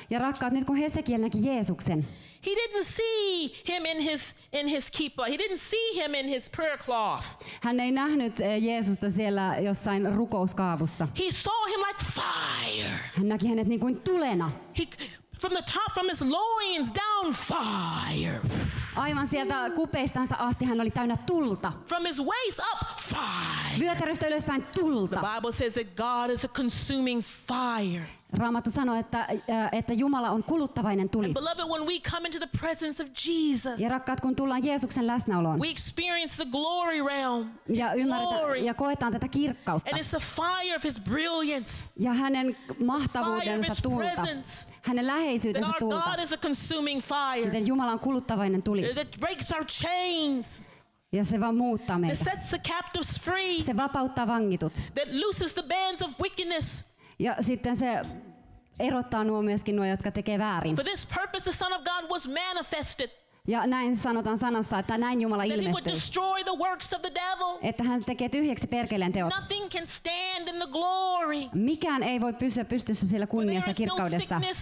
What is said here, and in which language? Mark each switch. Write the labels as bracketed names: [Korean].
[Finnish] Ja rakkaat, nyt kun Hesekiel näki Jeesuksen. [English] He didn't see him in his kippa. He didn't see him in his prayer cloth. [Finnish] Hän ei nähnyt Jeesusta siellä jossain rukouskaavussa. [English] He saw him like fire. [Finnish] Hän näki hänet niin kuin tulena. [English] From the top, from his loins down, fire. [Finnish] Aivan sieltä kupeistansa asti hän oli täynnä tulta. [English] From his waist up, fire. [Finnish] Vyötäröstä ylöspäin tulta. [English] The Bible says that God is a consuming fire. [Finnish] Raamattu sanoi, että Jumala on kuluttavainen tuli. [English] And beloved, when we come into the presence of Jesus, [Finnish] ja rakkaat, kun tullaan Jeesuksen läsnäoloon, [English] we experience the glory realm, [Finnish] ja ymmärretään ja koetaan tätä kirkkautta. [English] And it's the fire of his brilliance, [Finnish] ja hänen mahtavuutensa tulta. Hänen läheisyytensä tulta. [English] That our God is a consuming fire. [Finnish] Miten Jumala on kuluttavainen tuli. [English] That breaks our chains. [Finnish] Ja se vaan muuttaa meitä. [English] That sets the captives free. [Finnish] Se vapauttaa vangitut. [English] That looses the bands of wickedness. [Finnish] Ja sitten se erottaa nuo myöskin nuo, jotka tekee väärin. [English] For this purpose, the Son of God was manifested. [Finnish] Ja näin sanotaan sanassa, että näin Jumala ilmestyi. He devil, että hän tekee tyhjäksi perkeleen teot. [English] Nothing can stand in the glory. [Finnish] Mikään ei voi pysyä pystyssä siellä kunniassa kirkkaudessa.